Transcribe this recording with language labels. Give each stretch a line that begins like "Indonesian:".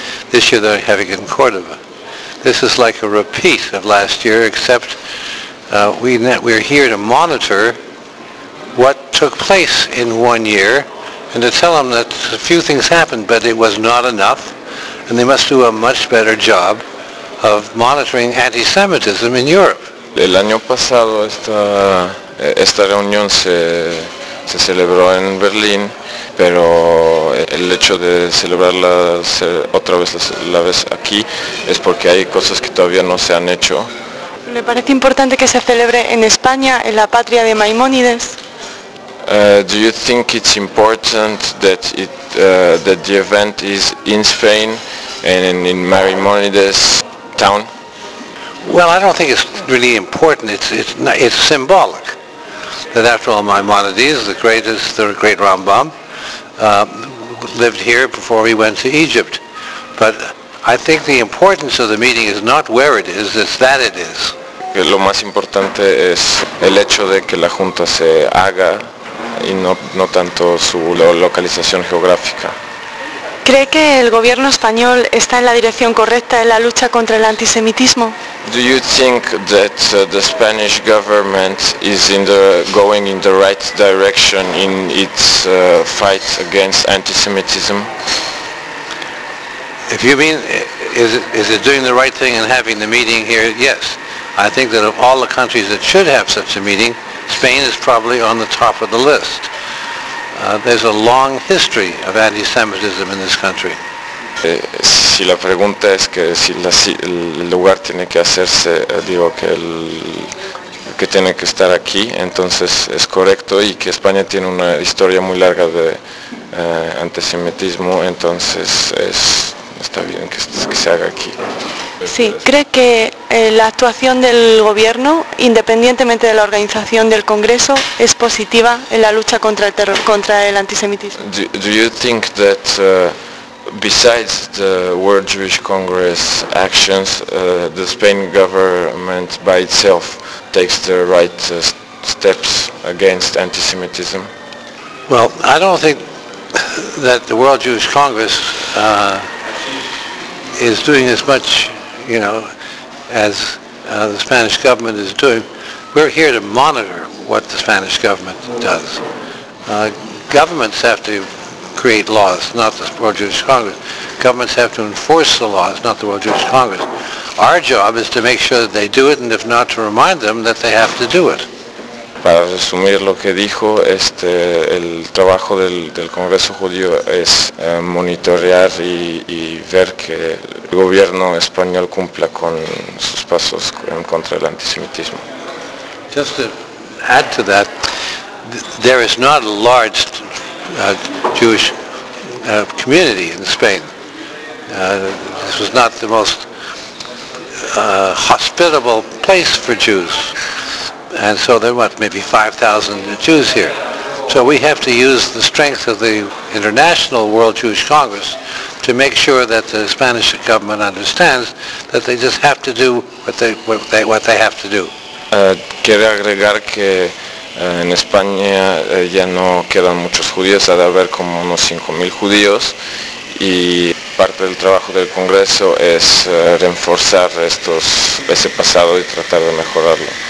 English: This year they're having it in Córdoba. This is like a repeat of last year, except we're here to monitor what took place in 1 year and to tell them that a few things happened, but it was not enough, and they must do a much better job of monitoring anti-Semitism in Europe.
Spanish: El año pasado esta reunión se celebró en Berlín, pero el hecho de celebrarla otra vez la vez aquí es porque hay cosas que todavía no se han hecho. ¿Le parece importante que se celebre en España, en la patria de Maimónides?
English: Do you think it's important that that the event is in Spain and in Maimonides' town? Well, I don't think it's really important. It's symbolic. That after all, Maimonides, the great Rambam, lived here before he went to Egypt. But I think the importance of the meeting is not where it is; it's that it is.
Spanish: Lo más importante es el hecho de que la junta se haga. Y no tanto su localización geográfica. ¿Cree que el gobierno español está en la dirección correcta en la lucha contra el antisemitismo?
English: Do you think that the Spanish government is going in the right direction in its fight against antisemitism? If you mean is it doing the right thing in having the meeting here? Yes. I think that of all the countries that should have such a meeting, Spain is probably on the top of the list. There's a long history of anti-Semitism in this country.
Spanish: Si la pregunta es que si el lugar tiene que hacerse, digo que tiene que estar aquí, entonces es correcto, y que España tiene una historia muy larga de antisemitismo, entonces está bien que se haga aquí. Sí, ¿cree que la actuación del gobierno, independientemente de la organización del Congreso, es positiva en la lucha contra el antisemitismo?
English: Do you think that besides the World Jewish Congress actions, the Spain government by itself takes the right steps against antisemitism? Well, I don't think that the World Jewish Congress is doing as much, you know, as the Spanish government is doing. We're here to monitor what the Spanish government does. Governments have to create laws, not the World Jewish Congress. Governments have to enforce the laws, not the World Jewish Congress. Our job is to make sure that they do it, and if not, to remind them that they have to do it.
Spanish: Para resumir lo que dijo, el trabajo del Congreso Judío es monitorear y ver que el gobierno español cumpla con sus pasos en contra del antisemitismo.
English: Just to add to that, there is not a large Jewish community in Spain. This was not the most hospitable place for Jews. And so there are, maybe 5,000 Jews here. So we have to use the strength of the International World Jewish Congress to make sure that the Spanish government understands that they just have to do what they have to do.
Spanish: Quiero agregar que en España ya no quedan muchos judíos, ha de haber como unos 5,000 judíos, y parte del trabajo del Congreso es reforzar ese pasado y tratar de mejorarlo.